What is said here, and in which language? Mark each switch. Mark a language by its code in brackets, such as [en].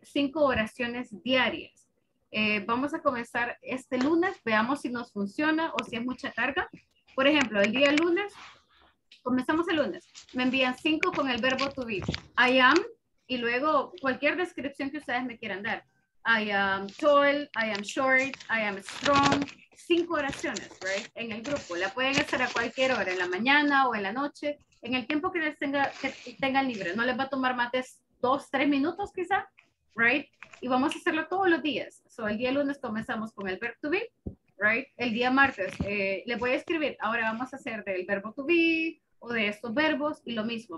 [es] 5 oraciones diarias. Vamos a comenzar este lunes, veamos si nos funciona o si es mucha carga. Por ejemplo, el día lunes, comenzamos el lunes, me envían 5 con el verbo to be. [en] I am, y luego cualquier descripción que ustedes me quieran dar. I am tall, I am short, I am strong. [es] 5 oraciones, [en] right? [es] En el grupo. La pueden hacer a cualquier hora, en la mañana o en la noche, en el tiempo que les tenga, que tengan libre. No les va a tomar más de 2-3 minutos quizá, [en] right? [es] Y vamos a hacerlo todos los días. So, el día lunes comenzamos con el verb to be, [en] right? [es] El día martes les voy a escribir. Ahora vamos a hacer del verbo to be o de estos verbos y lo mismo.